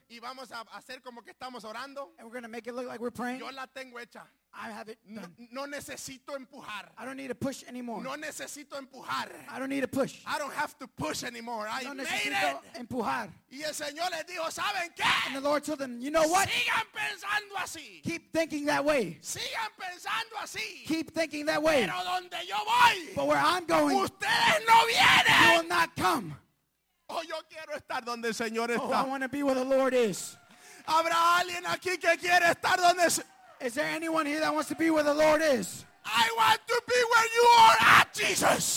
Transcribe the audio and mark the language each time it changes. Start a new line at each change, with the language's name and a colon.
Spanish: Y vamos a hacer como que estamos orando.
English: And we're going to make it look like we're praying.
Spanish: Yo la tengo hecha.
English: I have it done.
Spanish: No, no necesito empujar.
English: I don't need to push anymore.
Spanish: No necesito empujar.
English: I don't need to push. I don't have to push anymore. I no made it.
Spanish: Empujar. Y el Señor les dijo, ¿saben qué?
English: And the Lord told them, you know what?
Spanish: Sigan pensando así.
English: Keep thinking that way.
Spanish: Sigan pensando así.
English: Keep thinking that way.
Spanish: Pero donde yo voy,
English: but where I'm going,
Spanish: ustedes no vienen.
English: You will not come.
Spanish: Oh, yo quiero estar donde el Señor está.
English: Oh, I want to be where the Lord is.
Spanish: Habrá alguien aquí que quiere estar donde el Señor.
English: Is there anyone here that wants to be where the Lord is? I want to be where you are at, Jesus.